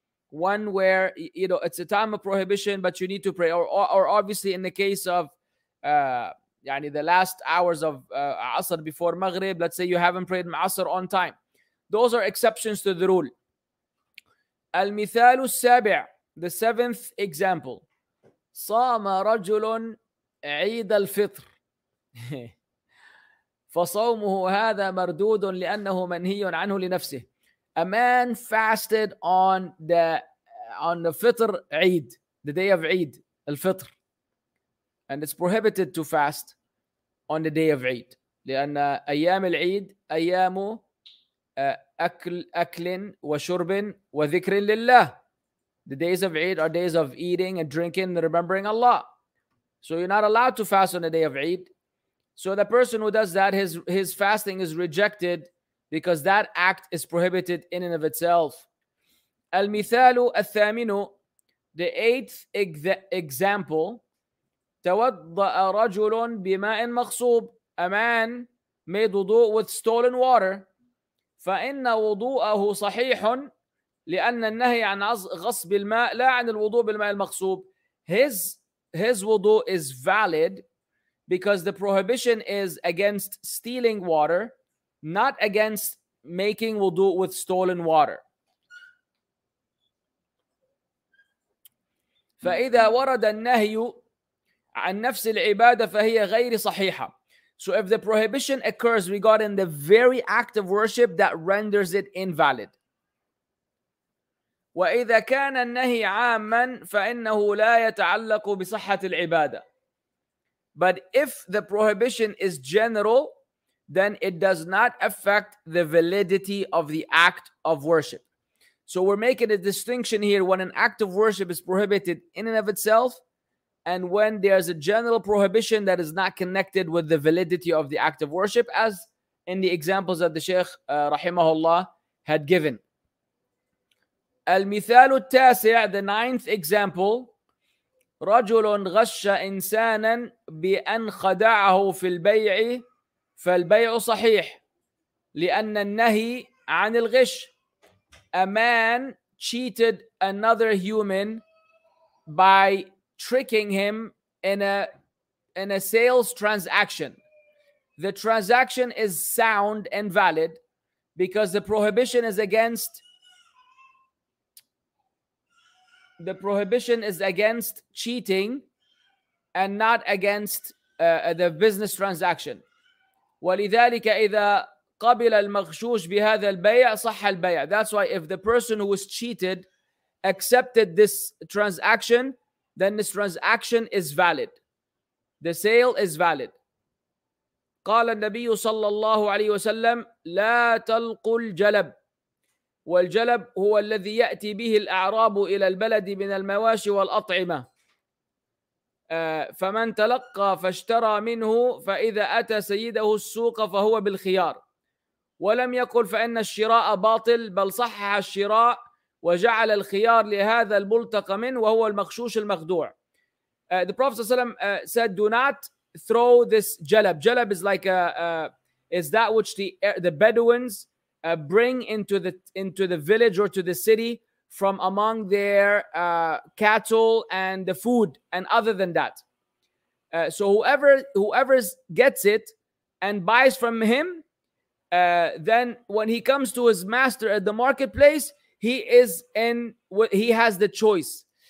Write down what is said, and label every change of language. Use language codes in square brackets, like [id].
[en] One where, you know, it's a time of prohibition, but you need to pray. Or obviously in the case of the last hours of Asr before Maghrib, let's say you haven't prayed Asr on time. Those are exceptions to the rule. [ar] Al-mithalu al-sabi'. [en] The seventh example. [ar] صام رجل عيد الفطر فصومه هذا مردود لأنه منهي عنه لنفسه. [en] A man fasted on the Fitr Eid, the day of Eid, al-Fitr. And it's prohibited to fast on the day of Eid. [ar] لأن أيام العيد أيام أكل وشرب وذكر لله. [en] The days of Eid are days of eating and drinking and remembering Allah. So you're not allowed to fast on the day of Eid. So the person who does that, his fasting is rejected because that act is prohibited in and of itself. [ar] المثال الثامن, [en] the eighth example, [ar] توضأ رجل بماء مغصوب. [en] A man made wudu with stolen water. [ar] فإن وضوءه صحيح لأن النهي عن غصب الماء لا عن الوضوء بالماء المغصوب. [en] His wudu is valid because the prohibition is against stealing water, not against making wudu with stolen water. [ar] فإذا ورد النهي عن نفس العبادة فهي غير صحيحة. [en] So if the prohibition occurs regarding the very act of worship, that renders it invalid. [ar] وإذا كان النهي عاما فإنه لا يتعلق بصحة العبادة. [en] But if the prohibition is general, then it does not affect the validity of the act of worship. So we're making a distinction here when an act of worship is prohibited in and of itself, and when there's a general prohibition that is not connected with the validity of the act of worship, as in the examples that the Sheikh Rahimahullah had given. [ar] المثال التاسع, [en] the ninth example, [ar] رجل غش إنسانا بأن خدعه في البيع فالبيع صحيح لأن النهي عن الغش. [en] A man cheated another human by tricking him in a sales transaction. The transaction is sound and valid because the prohibition is against cheating and not against the business transaction. [ar] ولذلك إذا قبل المغشوش بهذا البيع صح البيع. [en] That's why if the person who was cheated accepted this transaction, then this transaction is valid. The sale is valid. [ar] قال النبي صلى الله عليه وسلم لا تلقوا الجلب. والجلب هو الذي يأتي به الأعراب إلى البلد من المواشي والأطعمة. فمن تلقى فاشترى منه فإذا أتى سيده السوق فهو بالخيار. ولم يقل فإن الشراء باطل بل صحح الشراء وجعل الخيار لهذا الملتقى من وهو المغشوش المخدوع. [en] The Prophet صلى الله عليه وسلم said, do not throw this jalab. Jalab is like is that which the Bedouins bring into the village or to the city from among their cattle and the food. And other than that, so whoever gets it and buys from him, then when he comes to his master at the marketplace, he has the choice.